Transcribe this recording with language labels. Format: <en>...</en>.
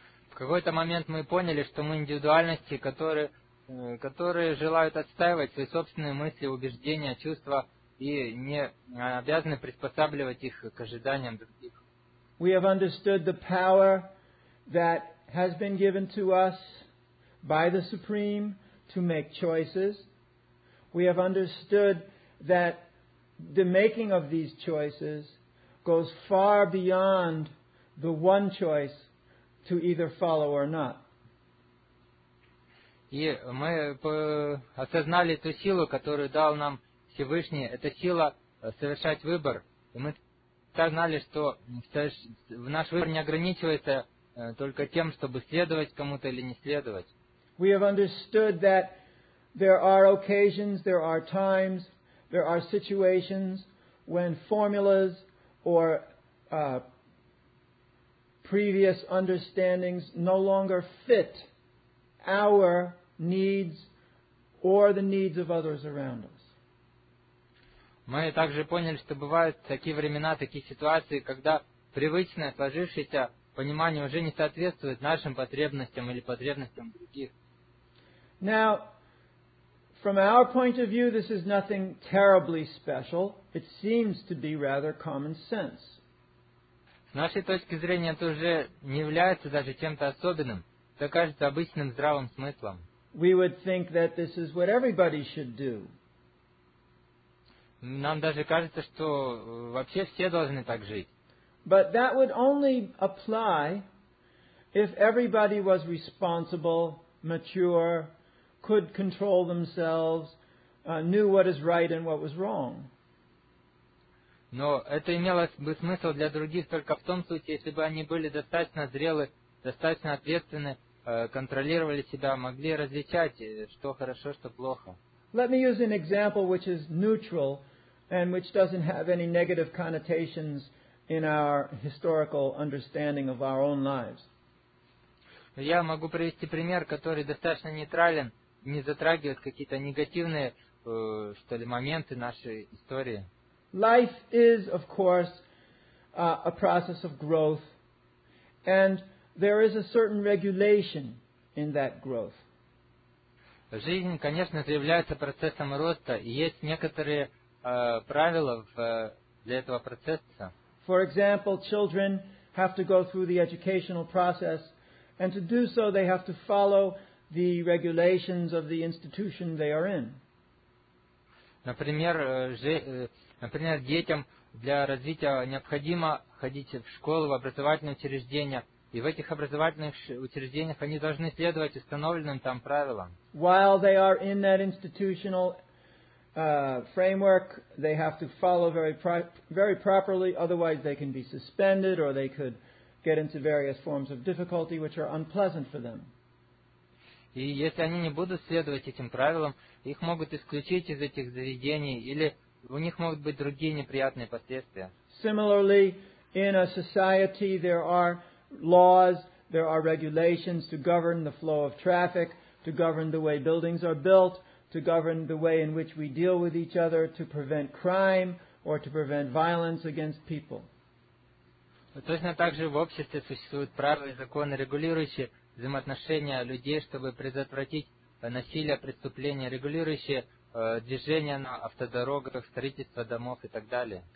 <ru>В какой-то момент мы поняли, что мы индивидуальности, которые желают отстаивать свои собственные мысли, убеждения, чувства, и не обязаны приспосабливать их к ожиданиям других.</ru> <en>We have understood the power that has been given to us by the Supreme to make choices. We have understood that the making of these choices goes far beyond the one choice to either follow or not.</en> <ru>И мы осознали ту силу, которую дал нам Всевышний. Это сила совершать выбор. И мы осознали, что наш выбор не ограничивается только тем, чтобы следовать кому-то или не следовать.</ru> <en>We have understood that there are occasions, there are times, there are situations when formulas or previous understandings no longer fit our needs or the needs of others around us.</en> <ru>Мы также поняли, что бывают такие времена, такие ситуации, когда привычное сложившееся понимание уже не соответствует нашим потребностям или потребностям других.</ru> <en>Now, from our point of view, this is nothing terribly special. It seems to be rather common sense.</en> <ru>С нашей точки зрения, это уже не является даже чем-то особенным. Это кажется обычным здравым смыслом.</ru> <en>We would think that this is what everybody should do.</en> <ru>Нам даже кажется, что вообще все должны так жить.</ru> <en>But that would only apply if everybody was responsible, mature, could control themselves, knew what is right and what was wrong.</en> <ru>Но это имело бы смысл для других только в том случае, если бы они были достаточно зрелы, достаточно ответственны, контролировали себя, могли различать, что хорошо, что плохо.</ru> <en>Let me use an example which is neutral and which doesn't have any negative connotations in our historical understanding of our own lives.</en> <ru>Я могу привести пример, который достаточно нейтрален, не затрагивает какие-то негативные, что ли, моменты нашей истории.</ru> <en>Life is, of course, a process of growth, and there is a certain regulation in that growth.</en> <ru>Жизнь, конечно, является процессом роста, и есть некоторые правила для этого процесса.</ru> <en>For example, children have to go through the educational process, and to do so, they have to follow the regulations of the institution they are in.</en> <ru>Например, детям для развития необходимо ходить в школу, в образовательные учреждения, и в этих образовательных учреждениях они должны следовать установленным там правилам.</ru> <en>While they are in that institutional framework, they have to follow very properly, otherwise they can be suspended or they could get into various forms of difficulty which are unpleasant for them.</en> <ru>И если они не будут следовать этим правилам, их могут исключить из этих заведений или у них могут быть другие неприятные последствия.</ru> <en>Similarly, in a society there are laws, there are regulations to govern the flow of traffic, to govern the way buildings are built, to govern the way in which we deal with each other, to prevent crime or to prevent violence against people.</en> <ru>Точно так же в обществе существуют правила и законы, регулирующие взаимоотношения людей, чтобы предотвратить насилие, преступления, регулирующие движение на автодорогах, строительство домов и так далее.</ru>